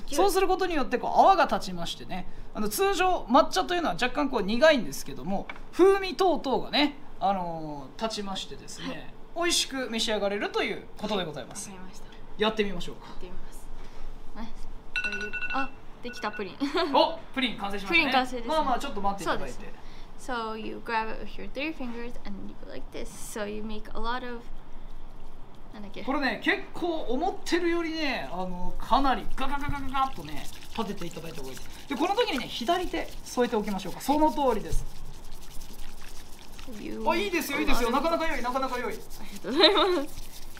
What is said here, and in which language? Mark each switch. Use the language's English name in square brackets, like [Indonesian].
[Japanese] そうすることによってこう泡が立ちましてね、あの通常抹茶というのは若干こう苦いんですけども、風味等々がね、立ちましてですね、はい、美味しく召し上がれるということでございます、はい、分かりました。やってみましょうか。やってみます、はい、あ、できたプリン。お、プリン完成しましたね。プリン完成です、ね。まあまあちょっと待っていただいて。そうです [English] So you grab it with your three fingers and you go like this. So you make a lot of [Japanese] なんだっけ。これね結構思ってるよりね、あのかなりガガガガガガッとね立てていただいた方がいい。でこの時にね左手添えておきましょうか。その通りです。あ、いいですよ、いいですよ、なかなか良い、なかなか良い。ありがとうございます。